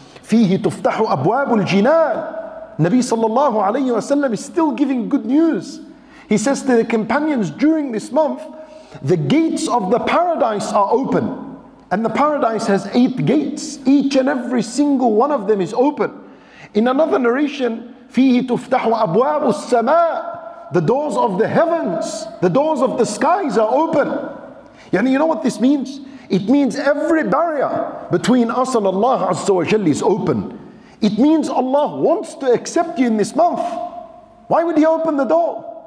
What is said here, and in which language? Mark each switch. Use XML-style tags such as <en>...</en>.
<ar>فِيهِ تُفْتَحُ أَبْوَابُ الْجِنَانِ.</ar> <en>Nabi sallallahu alayhi wa sallam is still giving good news. He says to the companions, during this month, the gates of the paradise are open. And the paradise has 8 gates. Each and every single one of them is open. In another narration,</en> <ar>فِيهِ تُفْتَحُ أَبْوَابُ السَّمَاءِ.</ar> <en>The doors of the heavens, the doors of the skies are open. Yani, you know what this means? It means every barrier between us and Allah Azza wa Jalla is open. It means Allah wants to accept you in this month. Why would He open the door?</en>